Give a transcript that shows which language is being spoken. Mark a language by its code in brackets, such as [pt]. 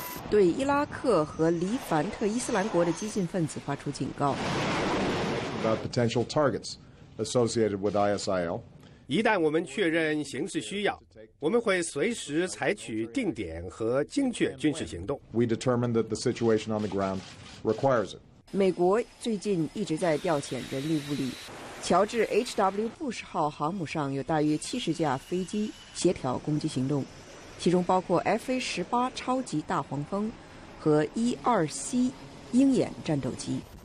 [zh] 对伊拉克和黎凡特伊斯兰国的激进分子发出警告。 [en] About potential targets associated with ISIL. [zh] 一旦我们确认形势需要，我们会随时采取定点和精确军事行动。 [en] We determine that the situation on the ground requires it. [zh] 美国最近一直在调遣人力物力。乔治 H.W. 布什号航母上有大约70架飞机协调攻击行动。其中包括 FA-18 超级大黄蜂和 E-2C 鹰眼战斗机。